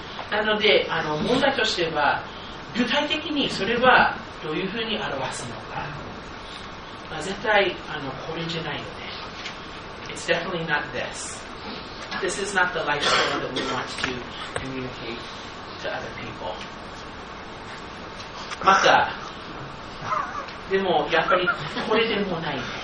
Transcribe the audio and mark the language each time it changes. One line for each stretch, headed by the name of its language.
Japanese: なので、あの問題としては、具体的にそれはどういうふうに表すのか。まあ、絶対あのこれじゃないよね。
English: It's definitely not this. This is not the lifestyle that we want to communicate to other people.
Japanese: また、でもやっぱりこれでもないね。